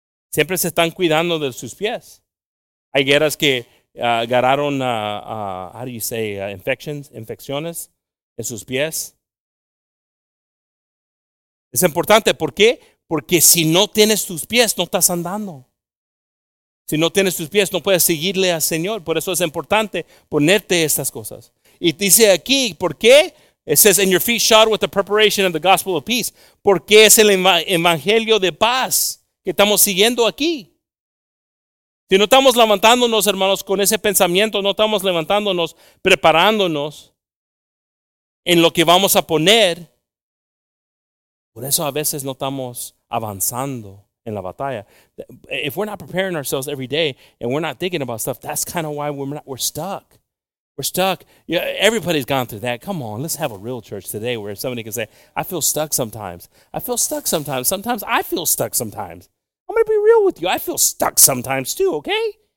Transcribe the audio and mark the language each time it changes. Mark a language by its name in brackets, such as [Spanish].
[Spanish] Siempre se están cuidando de sus pies. Hay guerras que agarraron, infecciones en sus pies. Es importante, ¿por qué? Porque si no tienes tus pies, no estás andando. Si no tienes tus pies, no puedes seguirle al Señor. Por eso es importante ponerte estas cosas. Y dice aquí, ¿por qué? [English] It says, and your feet shod with the preparation of the gospel of peace. [Spanish] Porque es el evangelio de paz que estamos siguiendo aquí. Si no estamos levantándonos, hermanos, con ese pensamiento, no estamos levantándonos, preparándonos en lo que vamos a poner. Por eso a veces no estamos avanzando en la batalla. [English] If we're not preparing ourselves every day and we're not thinking about stuff, that's kind of why we're stuck. We're stuck. Yeah, everybody's gone through that. Come on, let's have a real church today where somebody can say, I feel stuck sometimes. I feel stuck sometimes. Sometimes I feel stuck sometimes. I'm going to be real with you. I feel stuck sometimes too, okay?